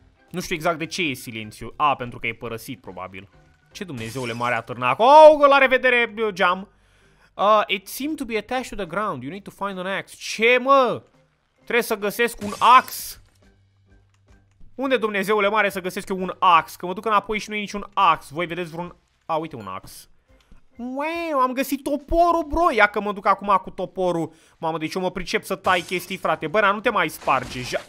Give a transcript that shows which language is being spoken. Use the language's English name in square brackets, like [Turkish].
[Romanian] Nu știu exact de ce e silențiu. A, pentru că e părăsit, probabil. Ce Dumnezeule mare a târnat. Oh, la revedere, geam. [English] It seemed to be attached to the ground. You need to find an axe. [Romanian] Ce, mă? Trebuie să găsesc un axe. Unde, Dumnezeule mare, să găsesc eu un axe? Că mă duc înapoi și nu e niciun axe. Voi vedeți vreun... A, uite un axe. Wow, am găsit toporul, bro. Ia că mă duc acum cu toporul. Mamă, deci eu mă pricep să tai chestii, frate. Bă, nu te mai sparge.